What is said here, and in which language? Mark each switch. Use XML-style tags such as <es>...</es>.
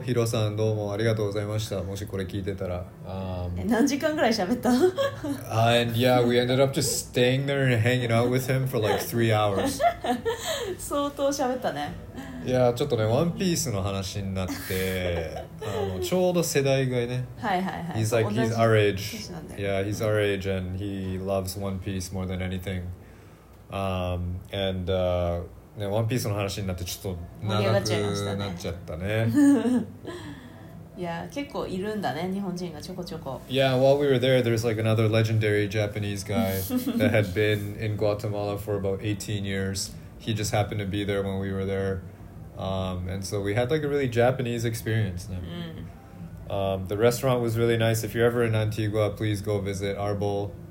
<ja>Hiro さんどうもありがとうございました。もしこれ聞いてたら、何時間ぐらい喋った</ja> <en>And yeah, we ended up just staying there and hanging out with him for like 3 hours.</en> <ja>相当喋ったね。いや、ちょっとね、ワンピースの話になってちょうど世代がね、はいはいはい、</ja> <en>He's like, he's our age. Yeah, he's our age and he loves One Piece more than anythingand</en> <ja>ね、ワンピースの話になってちょっと長くなっちゃったね。いや、結構いるんだね、日本人がちょこちょこ。</ja> <en>Yeah, while we were there, there's like another legendary Japanese guy that had been in Guatemala for about 18 years. He just happened to be there when we were there. And so we had like a really Japanese experience. The restaurant was really nice. If you're ever in Antigua, please go visit Arbol.</en>